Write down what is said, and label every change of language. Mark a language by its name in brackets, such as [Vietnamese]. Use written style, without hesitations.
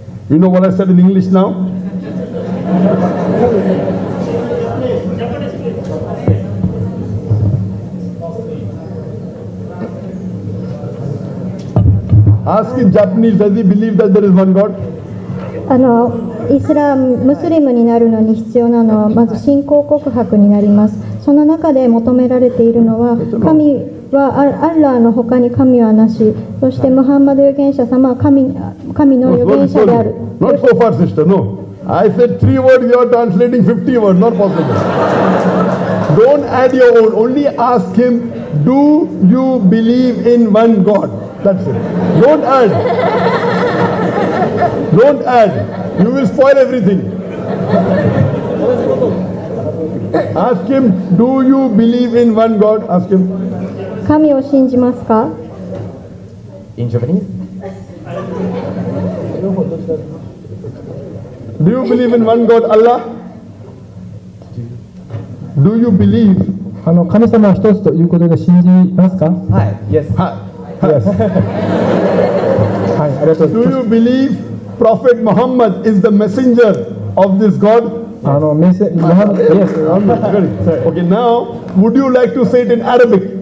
[English] You know what I said in English now? Ask in Japanese, does he believe that there is one God? [Japanese] イスラム、ムスリムになるのに必要なのはまず信仰告白になります。その中で求められているのは、神はアッラーの他に神はなし、そしてムハンマド預言者様は 神の預言者である。 [English] Not so far, sister, no. I said three words, you are translating 50 words, not possible. Don't add your own, only ask him, do you believe in one God? That's it. Don't add. You will spoil everything. Ask him, do you believe in one God? Ask him. [Japanese] 神を信じますか? [English] In Japanese? Do you believe in one God, Allah? Do you believe? [Japanese] 神様は一つということで信じますか? [English] Hi. Yes. Hi. Yes. Do you believe Prophet Muhammad is the messenger of this God? Yes. Yes. Okay, now would you like to say it in Arabic?